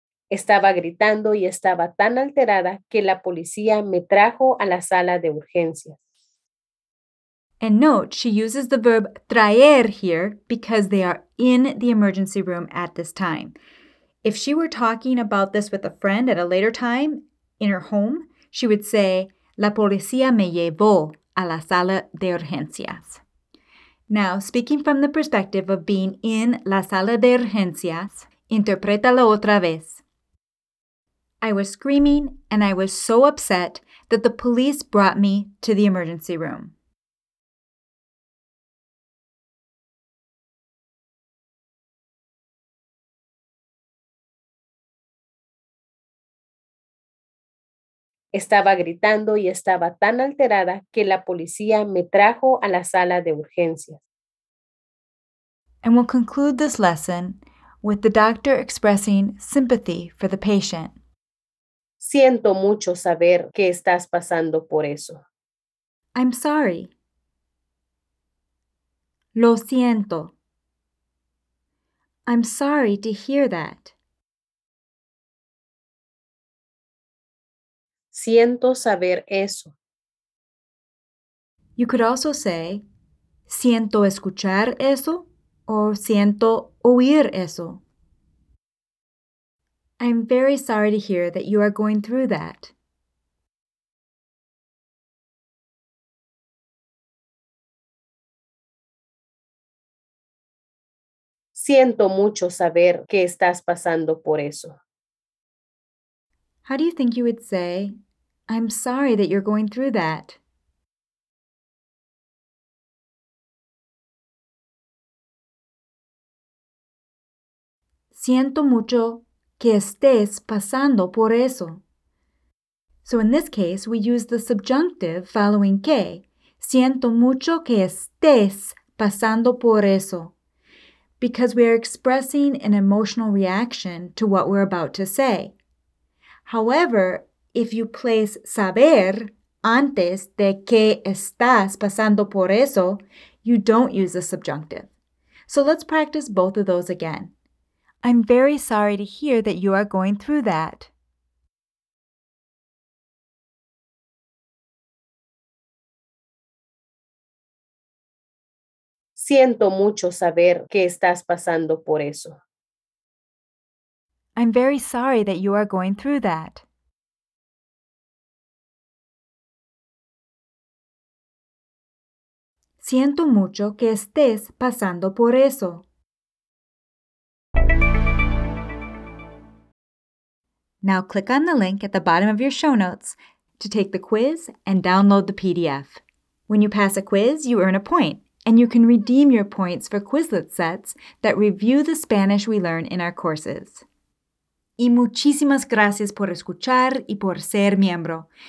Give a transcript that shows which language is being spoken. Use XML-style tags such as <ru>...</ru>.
<es>Estaba gritando y estaba tan alterada que la policía me trajo a la sala de urgencias.</es> <en>And note, she uses the verb traer here because they are in the emergency room at this time. If she were talking about this with a friend at a later time in her home, she would say,</en> <es>la policía me llevó a la sala de urgencias.</es> <en>Now, speaking from the perspective of being in</en> <es>la sala de urgencias, interprétala otra vez.</es> <en>I was screaming and I was so upset that the police brought me to the emergency room.</en> <es>Estaba gritando y estaba tan alterada que la policía me trajo a la sala de urgencias.</es> <en>And we'll conclude this lesson with the doctor expressing sympathy for the patient.</en> <es>Siento mucho saber que estás pasando por eso.</es> <en>I'm sorry.</en> <es>Lo siento.</es> <en>I'm sorry to hear that.</en> <es>Siento saber eso.</es> <en>You could also say,</en> <es>siento escuchar eso o siento oír eso.</es> <en>I'm very sorry to hear that you are going through that.</en> <es>Siento mucho saber que estás pasando por eso.</es> <en>How do you think you would say, I'm sorry that you're going through that?</en> <es>Siento mucho que estés pasando por eso.</es> <en>So in this case, we use the subjunctive following que.</en> <es>Siento mucho que estés pasando por eso.</es> <en>Because we are expressing an emotional reaction to what we're about to say. However, if you place</en> <es>saber antes de que estás pasando por eso,</es> <en>you don't use the subjunctive. So let's practice both of those again. I'm very sorry to hear that you are going through that.</en> <es>Siento mucho saber que estás pasando por eso.</es> <en>I'm very sorry that you are going through that.</en> <es>Siento mucho que estés pasando por eso.</es> <en>Now click on the link at the bottom of your show notes to take the quiz and download the PDF. When you pass a quiz, you earn a point, and you can redeem your points for Quizlet sets that review the Spanish we learn in our courses.</en> <es>Y muchísimas gracias por escuchar y por ser miembro.</es>